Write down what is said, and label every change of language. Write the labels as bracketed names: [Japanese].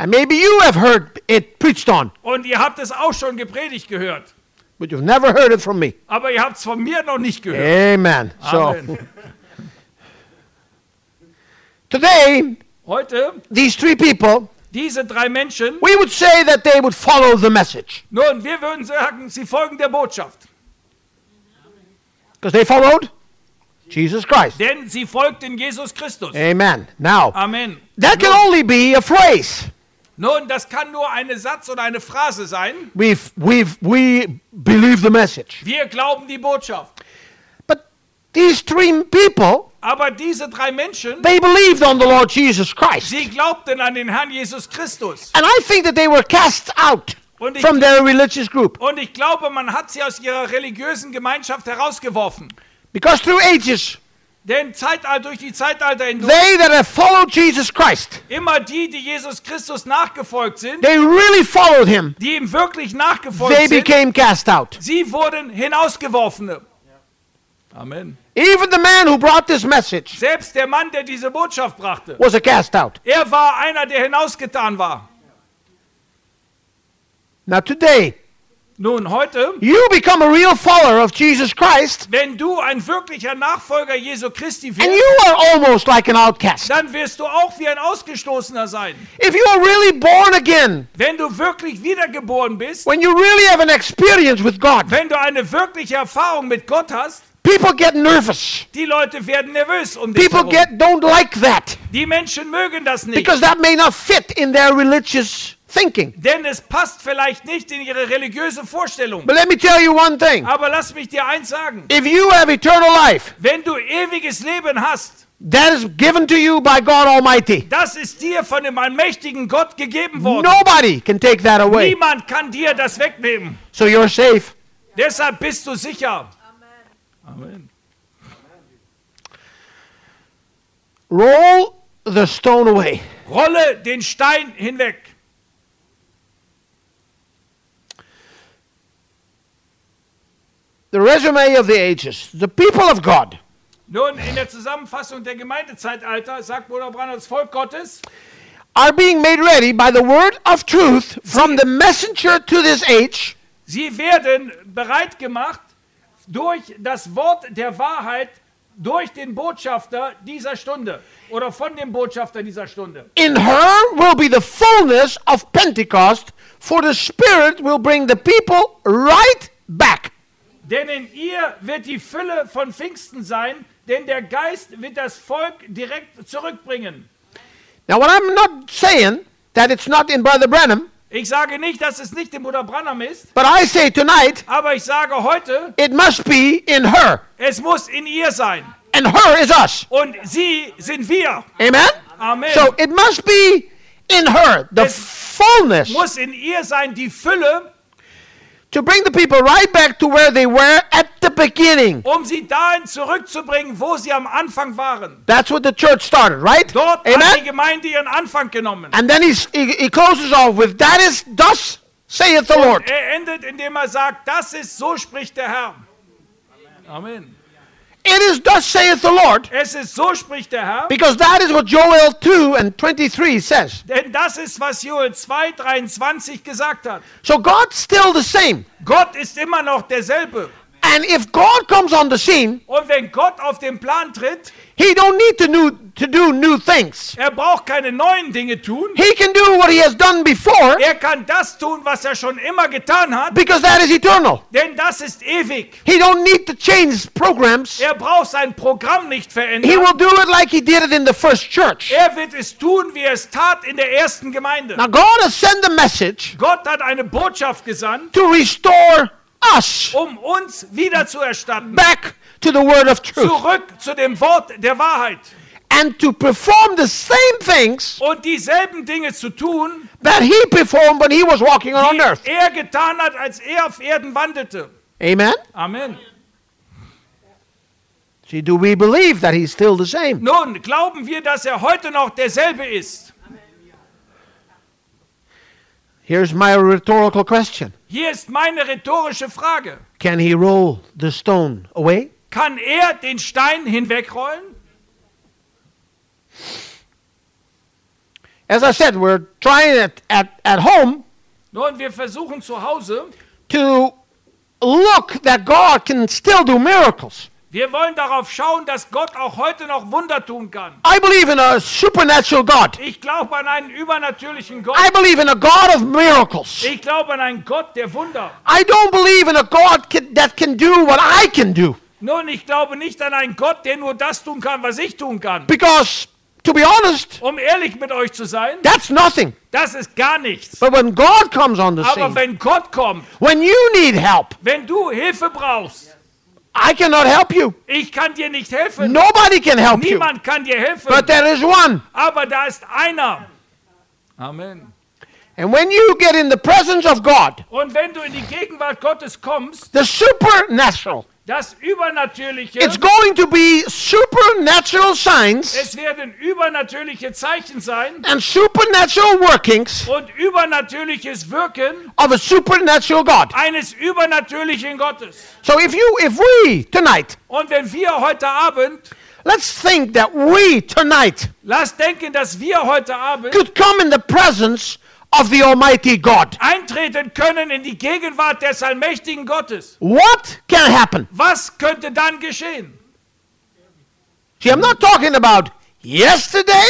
[English] And maybe you have heard it preached on. [German] Und ihr habt es auch schon gepredigt gehört. [English] But you've never heard it from me. [German] Aber ihr habt es von mir noch nicht gehört. [English] Amen. [German] Amen. [English] So. Today, [German] heute, [English] these three people, [German] diese drei Menschen, [English] we would say that they would follow the message. [German] Nun, wir würden sagen, sie folgen der Botschaft. [English] Because they followed Jesus Christ. [German] Denn sie folgten Jesus Christus. [English] Amen. Now, [German] Amen. [English] That can only be a phrase. [German] Nun, das kann nur ein Satz oder eine Phrase sein. [English] We believe the message. [German] Wir glauben die Botschaft. [English] But these three people, [German] aber diese drei Menschen, [English] they believed on the Lord Jesus Christ. [German] Sie glaubten an den Herrn Jesus Christus. [English] And I think that they were cast out from their religious group. [German] Und ich glaube, man hat sie aus ihrer religiösen Gemeinschaft herausgeworfen. [English] Because through ages, [German] denn Zeitalter durch die Zeitalter hindurch, [English] they that have followed Jesus Christ, [German] immer die, die Jesus Christus nachgefolgt sind, [English] they really followed him, [German] die ihm wirklich nachgefolgt [English] they [German] sind, [English] became cast out. [German] Sie wurden hinausgeworfene. [English] Amen. Even the man who brought this message, [German] selbst der Mann, der diese Botschaft brachte, [English] was a cast out. [German] Er war einer, der hinausgetan war. [English] Now today, [German] nun heute, [English] you become a real follower of Jesus Christ, [German] wenn du ein wirklicher Nachfolger Jesu Christi wirst, [English] and you are almost like an outcast, [German] dann wirst du auch wie ein Ausgestoßener sein. [English] If you are really born again, [German] wenn du wirklich wiedergeboren bist, [English] when you really have an experience with God, [German] wenn du eine wirkliche Erfahrung mit Gott hast, [English] people get nervous. [German] Die Leute werden nervös um dich. [English] People [German] herum. [English] Get don't like that. [German] Die Menschen mögen das nicht. [English] Because that may not fit in their religious thinking. [German] Denn es passt vielleicht nicht in ihre religiöse Vorstellung. [English] But let me tell you one thing. [German] Aber lass mich dir eins sagen. [English] If you have eternal life, [German] wenn du ewiges Leben hast, [English] that is given to you by God Almighty. [German] Das ist dir von dem allmächtigen Gott gegeben worden. [English] Nobody can take that away. [German] Niemand kann dir das wegnehmen. [English] So you're safe. [German] Deshalb bist du sicher. [English] Amen. Roll the stone away. [German] Rolle den Stein hinweg. [English] The resume of the ages. The people of God. [German] Nun, in der Zusammenfassung der Gemeindezeitalter sagt Bruder Branham, das Volk Gottes [English] are being made ready by the word of truth from the messenger to this age. [German] Sie werden bereit gemacht durch das Wort der Wahrheit, durch den Botschafter dieser Stunde oder von dem Botschafter dieser Stunde. [English] In her will be the fullness of Pentecost, for the Spirit will bring the people right back. [German] Denn in ihr wird die Fülle von Pfingsten sein, denn der Geist wird das Volk direkt zurückbringen. [English] Now what I'm not saying that it's not in Brother Branham. [German] Ich sage nicht, dass es nicht im Bruder Branham ist. [English] But I say tonight, [German] aber ich sage heute, [English] it must be in her. [German] Es muss in ihr sein. [English] And her is us. [German] Und sie sind wir. [English] Amen? [German] Amen. [English] So it must be in her, the [German] es [English] fullness. [German] Muss in ihr sein, die Fülle. [English] To bring the people right back to where they were at the beginning. [German] Um sie dahin zurückzubringen, wo sie am Anfang waren. [English] That's what the church started, right? [German] Dort Amen? Hat die Gemeinde ihren Anfang genommen. [English] And then he closes off with, that is thus saith the Lord. [German] Er endet, indem er sagt, das ist so spricht der Herr. [English] Amen. It is thus saith the Lord. [German] Es ist so spricht der Herr. [English] Because that is what Joel 2 and 23 says. [German] Denn das ist was Joel 2, 23 gesagt hat. [English] So God's still the same. [German] Gott ist immer noch derselbe. [English] And if God comes on the scene, [German] und wenn Gott auf den Plan tritt, [English] he don't need to do new things. [German] Er braucht keine neuen Dinge tun. [English] He can do what he has done before. [German] Er kann das tun, was er schon immer getan hat. [English] Because that is eternal. [German] Denn das ist ewig. [English] He don't need to change programs. [German] Er braucht sein Programm nicht verändern. [English] He will do it like he did it in the first church. [German] Er wird es tun, wie er es tat in der ersten Gemeinde. [English] Now God has sent a message. [German] Gott hat eine Botschaft gesandt. [English] To restore us. [German] Um uns wieder zu erstatten. [English] Back to the word of truth. [German] Zurück zu dem Wort der Wahrheit. [English] And to perform the same things. [German] Und dieselben Dinge zu tun. [English] That he performed when he was walking on earth. [German] Die er getan hat, als er auf Erden wandelte. [English] Amen. [German] Amen. [English] See, do we believe that he's still the same? [German] Nun, glauben wir, dass er heute noch derselbe ist? [English] Here's my rhetorical question. [German] Hier ist meine rhetorische Frage. [English] Can he roll the stone away? [German] Kann er den Stein hinwegrollen? [English] As I said, we're trying it at home. [German] Nun, wir versuchen zu Hause. [English] To look that God can still do miracles. [German] Wir wollen darauf schauen, dass Gott auch heute noch Wunder tun kann. [English] I believe in a supernatural God. [German] Ich glaube an einen übernatürlichen Gott. [English] I believe in a God of miracles. [German] Ich glaube an einen Gott der Wunder. [English] I don't believe in a God that can do what I can do. [German] Nun, ich glaube nicht an einen Gott, der nur das tun kann, was ich tun kann. [English] Because to be honest, [German] um ehrlich mit euch zu sein, [English] that's nothing. [German] Das ist gar nichts. [English] But when God comes on the [German] aber [English] scene, [German] wenn Gott kommt, [English] when you need help, [German] wenn du Hilfe brauchst, [English] I cannot help you. [German] Ich kann dir nicht helfen. [English] Nobody can help [German] niemand [English] you. [German] Niemand kann dir helfen. [English] But there is one. [German] Aber da ist einer. Amen. [English] And when you get in the presence of God, [German] und wenn du in die Gegenwart Gottes kommst, [English] the supernatural. [German] Das Übernatürliche. [English] It's going to be supernatural signs. [German] Es werden übernatürliche Zeichen sein. [English] And supernatural workings. [German] Und übernatürliches Wirken. [English] Of a supernatural God. [German] Eines übernatürlichen Gottes. [English] So if we tonight. [German] Und wenn wir heute Abend. [English] Let's think that we tonight. [German] Lass denken, dass wir heute Abend. [English] Could come in the presence of the Almighty God. [German] Eintreten können in die Gegenwart des allmächtigen Gottes. [English] What can happen? [German] Was könnte dann geschehen? [English] See, I'm not talking about yesterday.